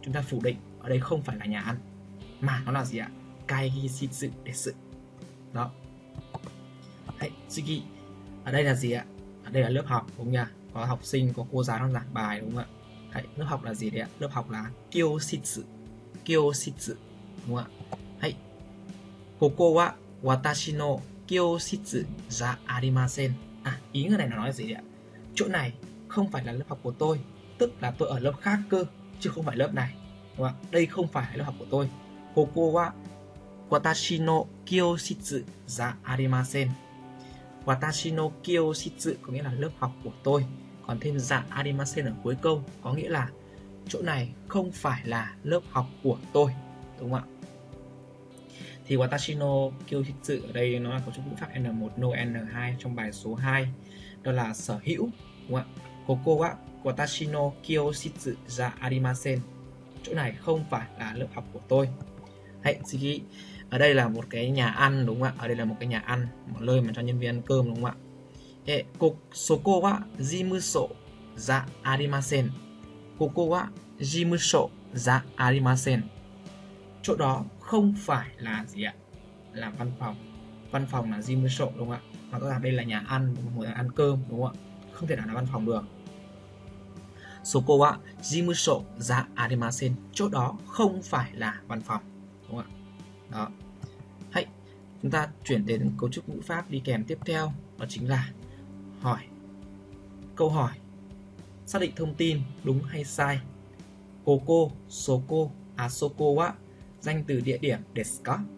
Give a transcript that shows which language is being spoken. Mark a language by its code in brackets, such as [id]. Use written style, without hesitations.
[vi] Chúng ta phủ định ở đây không phải là nhà ăn. Mà nó là gì ạ? [ja] Kaigishitsu desu. [vi] Đó. Hãy, tsugi. Ở đây là gì ạ? Ở đây là lớp học, đúng không nhỉ? Có học sinh, có cô giáo đang giảng bài, đúng không ạ? Hãy, lớp học là gì đấy ạ? Lớp học là kyoshitsu. Kyoshitsu, đúng không ạ? [ja] Hãy, ここは私の教室じゃありません。 [vi] À, ý nghĩa này nó nói gì đấy ạ? Chỗ này không phải là lớp học của tôi, tức là tôi ở lớp khác cơ, chứ không phải lớp này, đúng không ạ? Đây không phải là lớp học của tôi. [ja] ここは私の教室じゃありません。 [vi] Watashi no kyoshitsu có nghĩa là lớp học của tôi. Còn thêm za arimasen ở cuối câu có nghĩa là chỗ này không phải là lớp học của tôi, đúng không ạ? Thì watashi no kyoshitsu ở đây nó là cấu trúc ngữ pháp N1 no N2 trong bài số 2, đó là sở hữu, đúng không ạ? [ja] Koko wa watashi no kyoshitsu za arimasen. [vi] Chỗ này không phải là lớp học của tôi. Hãy suy. Ở đây là một cái nhà ăn, đúng không ạ? Ở đây là một cái nhà ăn, một nơi mà cho nhân viên ăn cơm, đúng không ạ? [ja] え、ここは事務所じゃありません。ここは事務所じゃありません。 [vi] Chỗ đó không phải là gì ạ? Là văn phòng. Văn phòng là事務所, đúng không ạ? Mà rõ ràng đây là nhà ăn, một người ăn cơm, đúng không ạ? Không thể nào là văn phòng được. [ja] そこは事務所じゃありません。 [vi] Chỗ đó không phải là văn phòng, đúng không ạ? Đó. Hãy chúng ta chuyển đến cấu trúc ngữ pháp đi kèm tiếp theo, đó chính là hỏi. Câu hỏi xác định thông tin đúng hay sai. Koko, soko, asoko wa danh từ địa điểm desu ka?